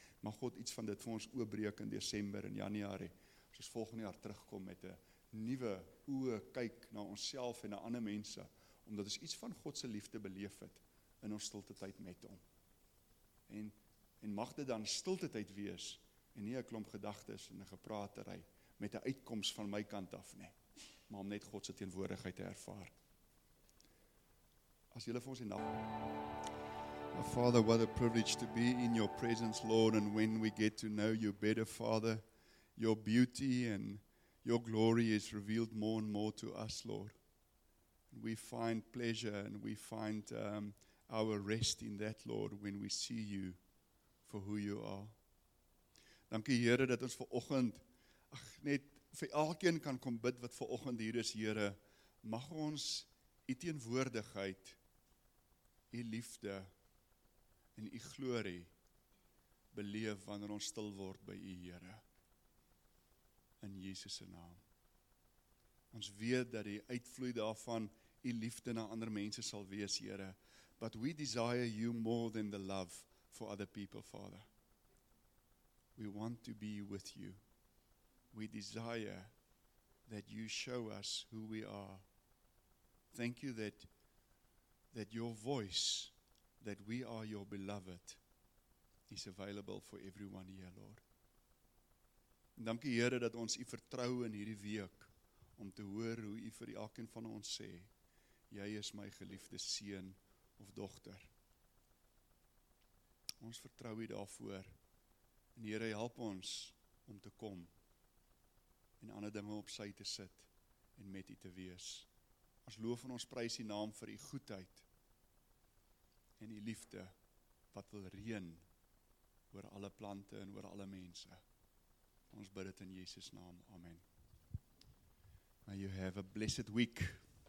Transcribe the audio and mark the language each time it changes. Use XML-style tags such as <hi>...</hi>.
<af>Mag God iets van dit vir ons oopbreek in December en Januari, as ons volgende jaar terugkom met 'n nuwe oë kyk na onsself en na ander mense, omdat ons iets van God se liefde beleef het in ons stilte tyd met hom. En mag dit dan stilte tyd wees en nie 'n klomp gedagtes en 'n gepratery met 'n uitkoms van my kant af nie, maar om net God se teenwoordigheid te ervaar. As julle vir ons die nag.</af> <en>Father, what a privilege to be in your presence, Lord, and when we get to know you better, Father, your beauty and your glory is revealed more and more to us, Lord. And we find pleasure and we find our rest in that, Lord, when we see you for who you are.</en> <af>Dankie Here dat ons vanoggend net vir elkeen kan kom bid wat vanoggend hier is, Here, mag ons u teenwoordigheid, u liefde en u glorie beleef wanneer ons stil word by u, Here. In Jesus se naam. Ons weet dat die uitvloei daarvan u liefde na ander mense sal wees, Here.</af> <en>But we desire you more than the love for other people, Father. We want to be with you. We desire that you show us who we are. Thank you that your voice, that we are your beloved, is available for everyone here, Lord.</en> <af>Dankie Here dat ons u vertrou in hierdie week om te hoor hoe u vir elkeen van ons sê, jy is my geliefde seun of dogter. Ons vertrou u daarvoor. En Here, help ons om te kom en ander dinge op sy te sit en met u te wees. Ons loof en ons prys u naam vir u goedheid en die liefde wat wil reën oor alle plante en oor alle mense. Ons bid dit in Jesus naam. Amen.</af> <en>May you have a blessed week.</en>